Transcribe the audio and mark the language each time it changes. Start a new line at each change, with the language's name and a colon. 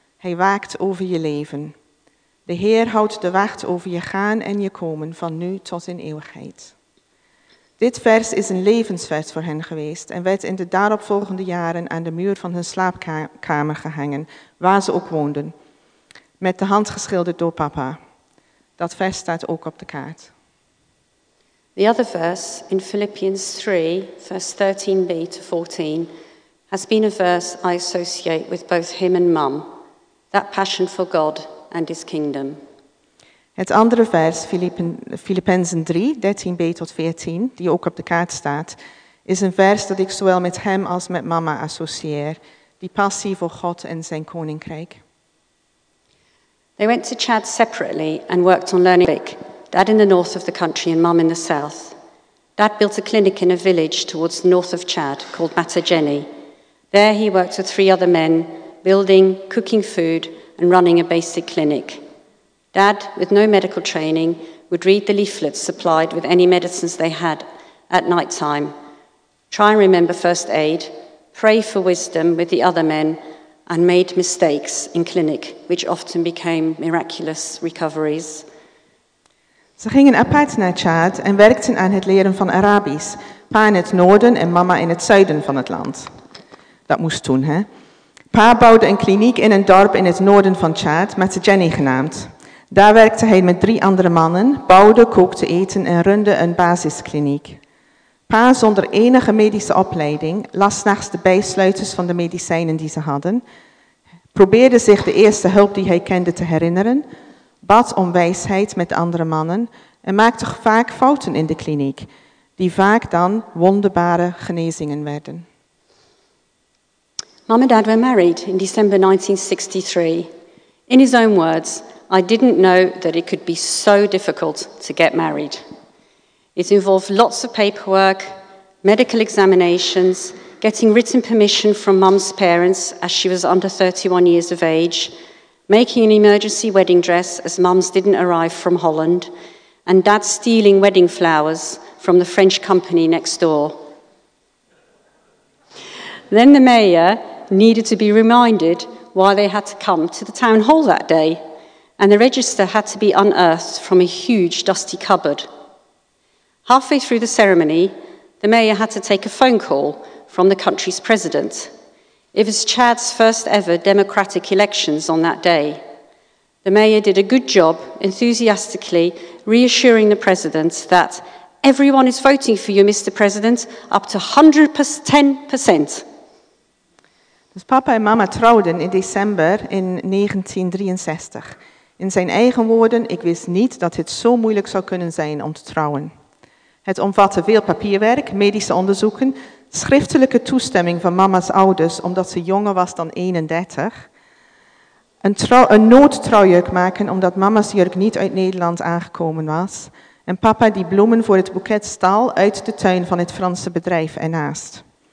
Dutch: Hij waakt over je leven. De Heer houdt de wacht over je gaan en je komen van nu tot in eeuwigheid. Dit vers is een levensvers voor hen geweest en werd in de daaropvolgende jaren aan de muur van hun slaapkamer gehangen, waar ze ook woonden, met de hand geschilderd door papa. Dat vers staat ook op de kaart.
English: The other verse in Philippians 3, verse 13b to 14, has been a verse I associate with both him and mum, that passion for God and his kingdom.
Dutch: Het andere vers, Filippenzen 3, 13b tot 14, die ook op de kaart staat, is een vers dat ik zowel met hem als met mama associeer, die passie voor God en zijn koninkrijk.
English: They went to Chad separately and worked on learning Arabic. Dad in the north of the country and mum in the south. Dad built a clinic in a village towards the north of Chad called Matajeni. There he worked with three other men, building, cooking food and running a basic clinic. Dad, with no medical training, would read the leaflets supplied with any medicines they had at night time, try and remember first aid, pray for wisdom with the other men, and made mistakes in clinic, which often became miraculous recoveries.
Dutch: Ze gingen apart naar Chad en werkten aan het leren van Arabisch. Pa in het noorden en mama in het zuiden van het land. Dat moest toen, hè? Pa bouwde een kliniek in een dorp in het noorden van Chad, Matajeni genaamd. Daar werkte hij met drie andere mannen, bouwde, kookte eten en runde een basiskliniek. Pa, zonder enige medische opleiding, las 's nachts de bijsluiters van de medicijnen die ze hadden, probeerde zich de eerste hulp die hij kende te herinneren, bad om wijsheid met andere mannen en maakte vaak fouten in de kliniek, die vaak dan wonderbare genezingen werden.
English: Mom and Dad were married in December 1963. In his own words, I didn't know that it could be so difficult to get married. It involved lots of paperwork, medical examinations, getting written permission from Mom's parents as she was under 31 years of age, making an emergency wedding dress as Mum's didn't arrive from Holland, and Dad stealing wedding flowers from the French company next door. Then the mayor needed to be reminded why they had to come to the town hall that day, and the register had to be unearthed from a huge dusty cupboard. Halfway through the ceremony, the mayor had to take a phone call from the country's president. It was Chad's first ever democratic elections on that day. The mayor did a good job, enthusiastically reassuring the president that everyone is voting for you, Mr. President, up to 110%.
Dutch: Dus papa en mama trouwden in december in 1963. In zijn eigen woorden, ik wist niet dat het zo moeilijk zou kunnen zijn om te trouwen. Het omvatte veel papierwerk, medische onderzoeken, schriftelijke toestemming van mama's ouders omdat ze jonger was dan 31, een noodtrouwjurk maken omdat mama's jurk niet uit Nederland aangekomen was en papa die bloemen voor het boeket stal uit de tuin van het Franse bedrijf ernaast.